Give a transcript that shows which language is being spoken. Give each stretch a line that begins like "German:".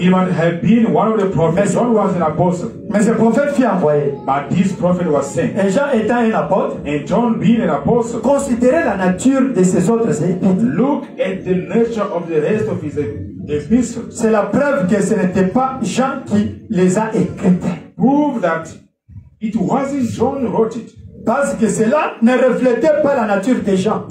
English: He might have been one of the prophets. John was an apostle.
French: Mais ce prophète fut envoyé.
English: But this prophet was sent.
French: Et Jean était un apôtre.
English: And John being an apostle.
French: Considérez la nature de ses autres épîtres.
English: Look at the nature of the rest of his epistles.
French: C'est la preuve que ce n'était pas Jean qui les a écrites.
English: Prove that it wasn't John who wrote it.
French: Parce que cela ne reflétait pas la nature des gens.